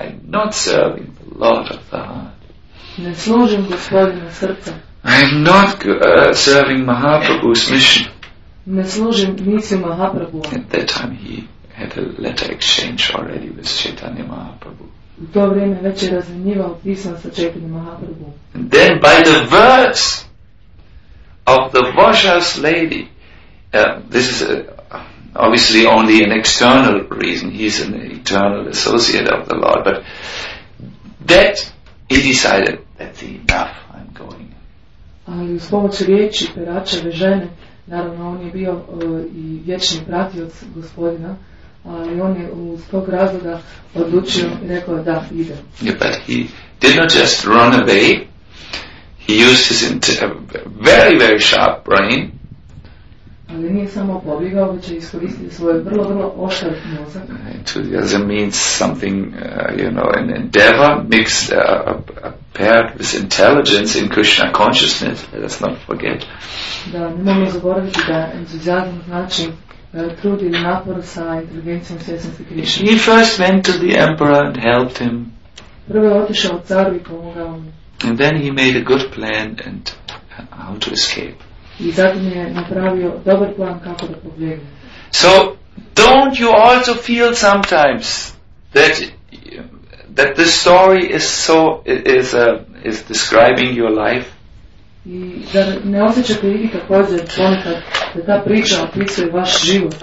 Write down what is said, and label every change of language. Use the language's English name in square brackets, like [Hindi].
[English] I'm not serving the Lord of the heart. [Croatian] Ne služim gospodina srca. [English] I'm not serving Mahaprabhu's mission. [Croatian] Ne služim misiju Mahaprabhu. [English] At that time he had a letter exchange already with Chaitanya Mahaprabhu. [Croatian] U to vrijeme već je razmjenjivao pisma sa Chaitanya Mahaprabhu. [English] And then by the words of the Vajra's lady, this is obviously only an external reason, he's an eternal associate of the Lord, but that he decided, that's enough, I'm going. [Croatian] Ali uz pomoć riječi peračeve žene, naravno on je bio i vječni pratioc gospodina, ali on je uz tog razloga odlučio i rekao da ide. [English] Yeah, but he did not just run away. He used his very, very sharp brain. [Croatian] Ali nije samo pobjegao, već je iskoristio svoj vrlo, vrlo oštar mozak. [English] Enthusiasm means something, you know, an endeavor mixed paired with intelligence in Krishna consciousness. Let's not forget. [Croatian] Da, ne mogu zaboraviti da entuzijazam znači trud ili napor sa inteligencijom svjesnosti Krishna. [English] He first went to the emperor and helped him. [Croatian] Prvo je otišao caru i pomogao mu. [English] And then he made a good plan and how to escape. [Croatian] I zatim je napravio dobar plan kako da pobjegne. [English] So, don't you also feel sometimes that the story is so is describing your life? [Croatian] I da ne osjećate li također ponekad da ta priča opisuje vaš život?